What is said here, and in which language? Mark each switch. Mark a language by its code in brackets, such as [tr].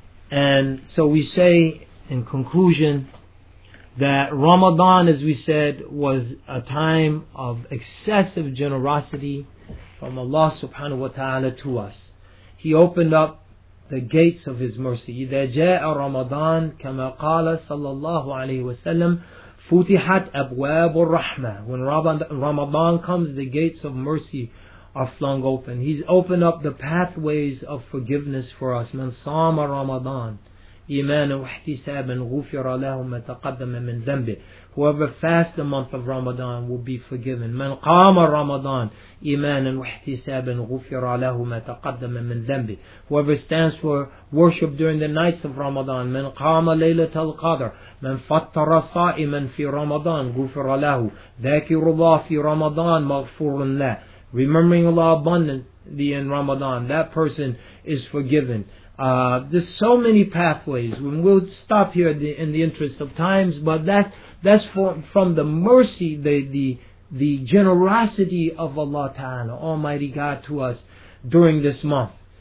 [en] And so we say in conclusion that Ramadan, as we said, was a time of excessive generosity from Allah subhanahu wa ta'ala to us. He opened up the gates of His mercy. [ar] إِذَا جَاءَ رَمَضَانَ كَمَا قَالَ صَلَّى اللَّهُ عَلَيْهِ وَسَلَّمَ فُتِحَتْ أَبْوَابُ الرَّحْمَةِ [en] When Ramadan comes, the gates of mercy are flung open. He's opened up the pathways of forgiveness for us. [ar] من صام رمضان إيمانا واحتسابا غفر له ما تقدم من ذنبه. [en] Whoever fasts the month of Ramadan will be forgiven. [ar] من قام رمضان إيمانا واحتسابا غفر له ما تقدم من ذنبه. [en] Whoever stands for worship during the nights of Ramadan, [ar] من قام ليلة القدر, من فطر صائما في رمضان غفر له. ذاكر الله في رمضان مغفور له. [en] Remembering Allah abundantly in Ramadan, that person is forgiven. There's so many pathways. We'll stop here in the interest of times, but that's from the mercy, the generosity of Allah Ta'ala, Almighty God, to us during this month.